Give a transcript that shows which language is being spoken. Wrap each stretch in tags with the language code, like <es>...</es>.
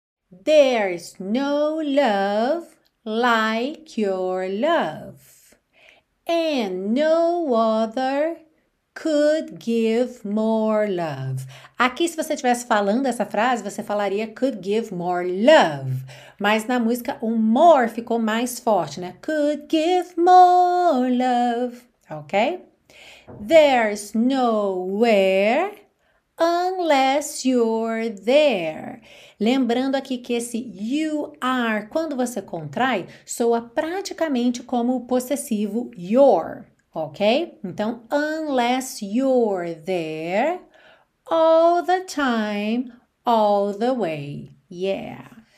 <en>There's no love like your love, and no other could give more love.</en> <pt>Aqui, se você estivesse falando essa frase, você falaria</pt> <en>could give more love.</en> <pt>Mas na música, o more ficou mais forte, né?</pt> <en>Could give more love, ok? There's nowhere unless you're there.</en> <pt>Lembrando aqui que esse</pt> <en>you are,</en> <pt>quando você contrai, soa praticamente como o possessivo your. Ok?</pt> <en>Então, unless you're there, all the time, all the way. Yeah.</en>